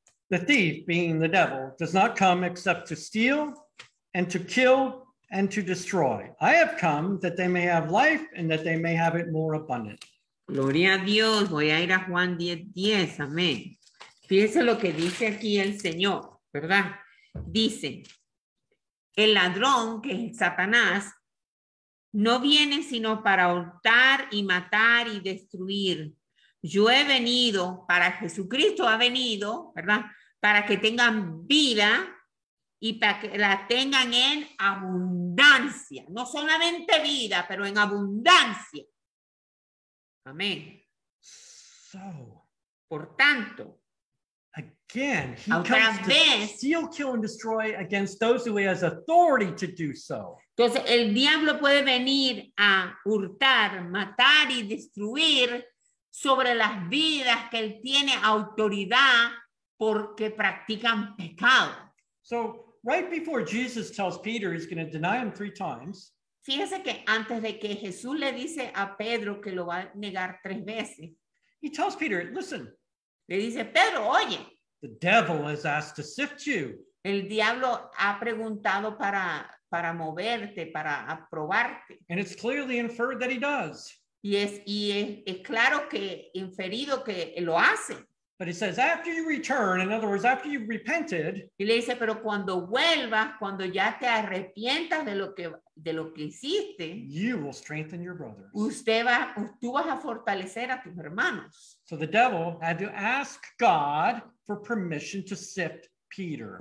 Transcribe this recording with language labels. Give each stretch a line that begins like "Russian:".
English: The thief, being the devil, does not come except to steal and to kill and to destroy. I have come that they may have life and that they may have it more abundant.
Spanish: Gloria a Dios. Voy a ir a Juan 10:10. Amén. Fíjese lo que dice aquí el Señor, ¿verdad? Dice, el ladrón, que es Satanás, no viene sino para hurtar y matar y destruir. Yo he venido, para Jesucristo ha venido, ¿verdad? Para que tengan vida y para que la tengan en abundancia. No solamente vida, pero en abundancia. Amén.
English: So,
Spanish: por tanto,
English: again, he comes to steal, kill, and destroy against those who he has authority to do so.
Spanish: Entonces, el diablo puede venir a hurtar, matar y destruir sobre las vidas que él tiene autoridad porque practican pecado.
English: So, right before Jesus tells Peter he's going to deny him three times,
Spanish: fíjese que antes de que Jesús le dice a Pedro que lo va a negar tres veces,
English: he tells Peter, listen,
Spanish: le dice, Pedro, oye,
English: the devil has asked to sift you.
Spanish: El diablo ha preguntado para moverte, para aprobarte.
English: And it's clearly inferred that he does.
Spanish: Y es claro que inferido que lo hace.
English: But he says, after you return, in other words, after you've repented.
Spanish: Y le dice, pero cuando vuelvas, cuando ya te arrepientas de lo que hiciste.
English: You will strengthen your brothers.
Spanish: Tú vas a fortalecer a tus hermanos.
English: So the devil had to ask God for permission to sift Peter.